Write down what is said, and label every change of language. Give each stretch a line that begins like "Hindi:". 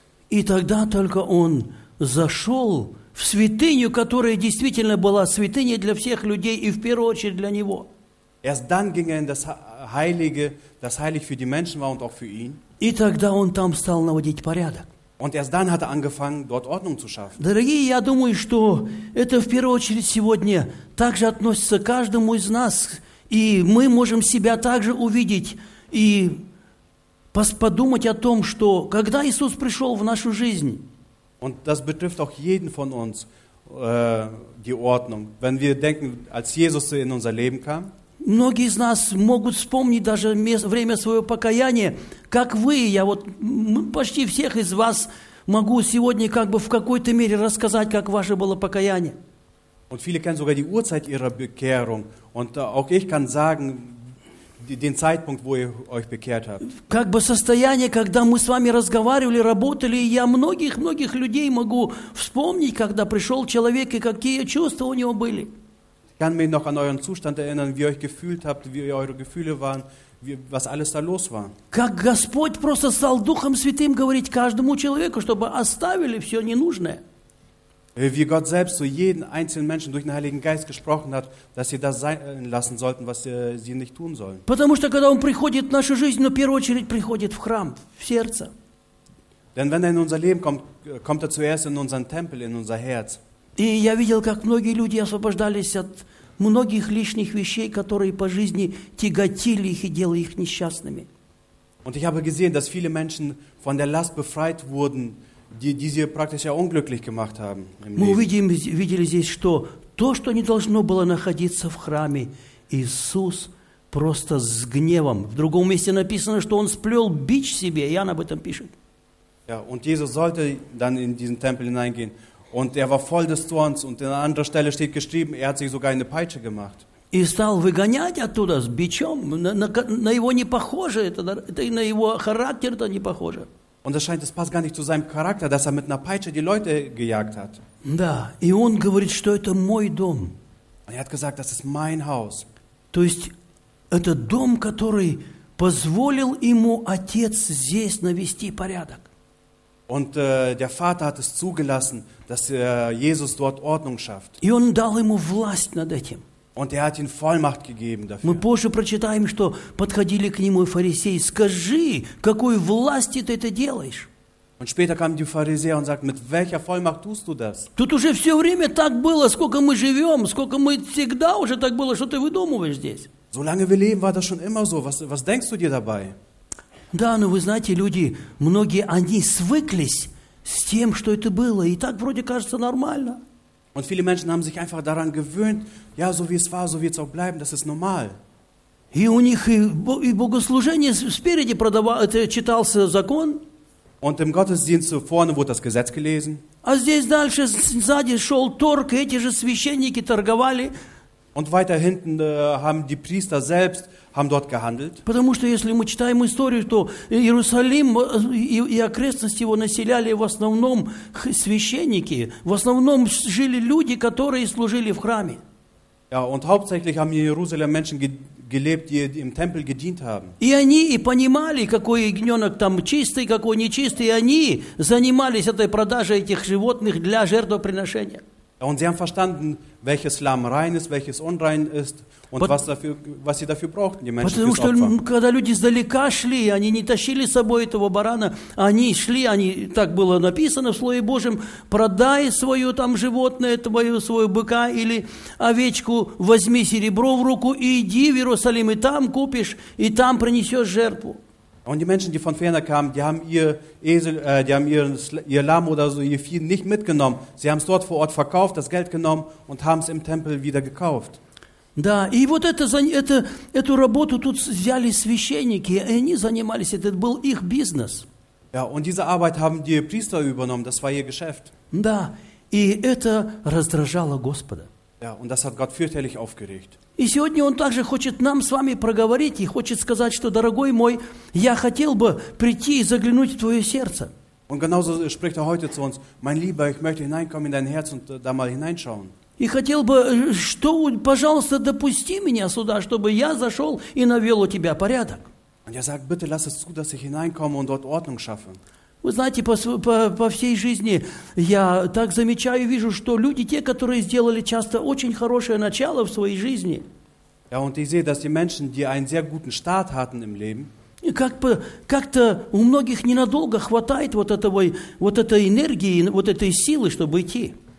Russian: И тогда только он зашел в святыню, которая действительно была святыней для всех людей и в первую очередь для него.
German: Erst dann ging er in das Heilige, das heilig für die Menschen war und auch für ihn.
Russian: И тогда он там стал наводить порядок.
German: Und erst dann hat er angefangen, dort Ordnung zu schaffen.
Russian: Дорогие, я думаю, что это в первую очередь сегодня также относится к каждому из нас, и мы можем себя также увидеть и подумать о том, что когда Иисус пришел в нашу жизнь.
German: Und das betrifft auch jeden von uns, die Ordnung. Wenn wir denken, als Jesus in unser Leben kam.
Russian: Многие из нас могут вспомнить даже время своего покаяния, как вы, я вот почти всех из вас могу сегодня как бы в какой-то мере рассказать, как ваше было покаяние.
German: Und viele kennen sogar die Uhrzeit ihrer Bekehrung. Und auch ich kann sagen, den Zeitpunkt, wo ihr euch bekehrt habt.
Russian: Как бы состояние, когда мы с вами разговаривали, работали, я многих людей могу вспомнить, когда пришел человек и какие чувства у него были.
German: Ich kann mich noch an euren Zustand erinnern, wie ihr euch gefühlt habt, wie eure Gefühle waren, wie, was alles da los war.
Russian: Как Господь просто стал Духом Святым говорить каждому человеку, чтобы оставили все ненужное.
German: Wie Gott selbst zu jedem einzelnen Menschen durch den Heiligen Geist gesprochen hat, dass sie das sein lassen sollten, was sie nicht tun sollen.
Russian: Потому что когда Он приходит в нашу жизнь, но в первую очередь приходит в храм, в сердце.
German: Denn wenn er in unser Leben kommt, kommt er zuerst in unseren Tempel, in unser Herz.
Russian: И я видел, как многие люди освобождались от многих лишних вещей, которые по жизни тяготили их и делали их несчастными.
German: Und ich habe gesehen, dass viele Menschen von der Last befreit wurden, die sie praktisch ja unglücklich gemacht haben im Leben.
Russian: Мы видели здесь, что то, что не должно было находиться в храме, Иисус просто с гневом. В другом месте написано, что Он сплел бич себе, Иоанн об этом пишет.
German: Ja, und Jesus sollte dann in diesen Tempel hineingehen. Und er war voll des Zorns. Und an anderer Stelle steht geschrieben, er hat sich sogar eine Peitsche gemacht.
Russian: И стал выгонять оттуда с бичом. На его не похоже, это на его характер это не похоже.
German: Und es scheint, es passt gar nicht zu seinem Charakter, dass er mit einer Peitsche die Leute gejagt hat.
Russian: Да, и он говорит, что это мой дом.
German: Und er hat gesagt, das ist mein Haus.
Russian: То есть, это дом, который позволил ему отец здесь навести порядок.
German: Und der Vater hat es zugelassen, dass Jesus dort Ordnung schafft.
Russian: И он дал ему власть над этим.
German: Und er hat ihm Vollmacht gegeben dafür.
Russian: Мы позже прочитаем, что подходили к нему фарисеи. Скажи, какой властью ты это делаешь?
German: Und später kamen die Pharisäer und sagten, mit welcher Vollmacht tust du das?
Russian: Тут уже все время так было, сколько мы живем, сколько мы всегда уже так было, что ты выдумываешь здесь?
German: Solange wir leben, war das schon immer so. Was denkst du dir dabei?
Russian: Да, но вы знаете, люди, многие, они свыклись с тем, что это было, и так вроде кажется нормально.
German: Und viele Menschen haben sich einfach daran gewöhnt, ja, so wie es war, so wird es auch bleiben, das ist normal.
Russian: И у них и богослужение спереди читался закон.
German: Und im Gottesdienst vorne wurde das Gesetz gelesen.
Russian: А здесь дальше сзади шел торг, эти же священники торговали.
German: Und weiter hinten haben die Priester selbst haben dort gehandelt.
Russian: Потому что если мы читаем историю, то Иерусалим и окрестности его населяли в основном священники, в основном жили люди, которые служили в храме.
German: Ja, und hauptsächlich haben in Jerusalem Menschen gelebt, die im Tempel gedient haben.
Russian: И они и понимали, какой ягненок там чистый, какой нечистый, и они занимались этой продажей этих животных для жертвоприношения.
German: Und sie haben verstanden, welches Lamm rein ist, welches unrein ist. Und was sie dafür brauchten, die Menschen
Russian: потому что когда люди издалека шли, они не тащили с собой этого барана, они шли, они так было написано в Слове Божьем, продай свое там животное, твое, свое быка или овечку, возьми серебро в руку и иди в Иерусалим, и там купишь, и там принесешь жертву.
German: Und die Menschen, die von ferne kamen, die haben ihr Esel, die haben ihr Lamm oder so, ihr Vieh nicht mitgenommen. Sie haben es dort vor Ort verkauft, das Geld genommen und haben es im Tempel wieder gekauft.
Russian: Да, и вот эту работу тут взяли священники, и они занимались, это был их бизнес.
German: Ja, und diese Arbeit haben die Priester übernommen, das war ihr Geschäft.
Russian: Да, и это раздражало Господа.
German: Ja, und das hat Gott fürchterlich aufgeregt.
Russian: И сегодня Он также хочет нам с вами проговорить и хочет сказать, что, дорогой мой, я хотел бы прийти и заглянуть в твое сердце.
German: Und genauso spricht heute zu uns, mein Lieber, ich möchte hineinkommen in dein Herz und da mal hineinschauen.
Russian: И хотел бы, что, пожалуйста, допусти меня сюда, чтобы я зашел и навел у тебя порядок.
German: Und er sagt, bitte lass es zu, dass ich hineinkomme und dort Ordnung schaffe.
Russian: Вы знаете, по всей жизни я так замечаю и вижу, что люди, те, которые сделали часто очень хорошее начало в своей жизни,
German: ja, und ich sehe, dass die Menschen, die einen sehr guten Start hatten im Leben,
Russian: как-то у многих ненадолго хватает вот этой энергии, вот этой силы, чтобы идти.